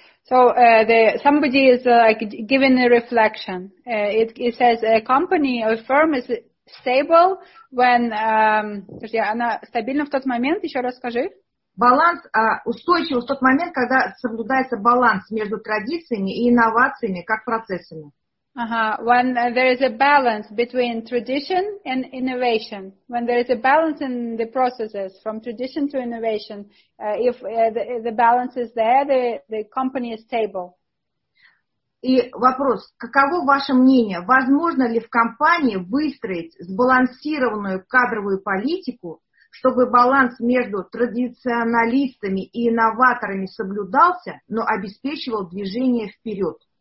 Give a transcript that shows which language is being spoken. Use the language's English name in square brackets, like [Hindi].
[English] So somebody is like giving a reflection. It says a company or firm is stable when [Russian] она стабильна в тот момент. Еще раз скажи. Баланс устойчив в тот момент, когда соблюдается баланс между традициями и инновациями как процессами. [English] When there is a balance between tradition and innovation, when there is a balance in the processes from tradition to innovation, if the balance is there, the company is stable. [Russian] И вопрос, каково ваше мнение? Возможно ли в компании выстроить сбалансированную кадровую политику, чтобы баланс между традиционалистами и инноваторами соблюдался, но обеспечивал движение вперед?